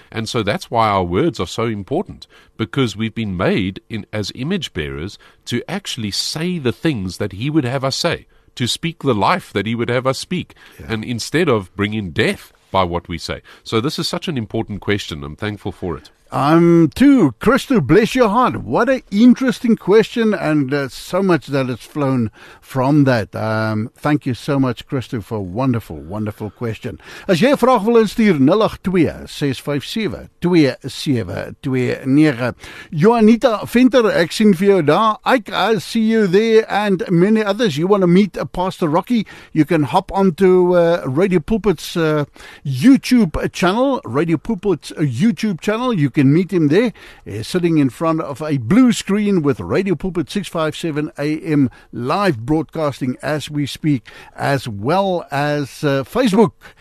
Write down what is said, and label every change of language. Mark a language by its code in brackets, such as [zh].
[en] And so that's why our words are so important, because we've been made as image bearers to actually say the things that He would have us say, to speak the life that He would have us speak. Yeah. And instead of bringing death by what we say. So this is such an important question. I'm thankful for it. I'm too. Crystal, bless your heart. What an interesting question, and so much that has flown from that. Thank you so much, Crystal, for a wonderful, wonderful question. [af] As jy 'n vraag wil instuur, 082-657-2729. Joanita Venter, ek sien vir jou daar. [en] Ike, I see you there, and many others. You want to meet Pastor Rocky? You can hop onto Radio Pulpit's YouTube channel. Radio Pulpit's YouTube channel. You can meet him there. He's sitting in front of a blue screen with Radio Pulpit 657 AM live broadcasting as we speak, as well as Facebook.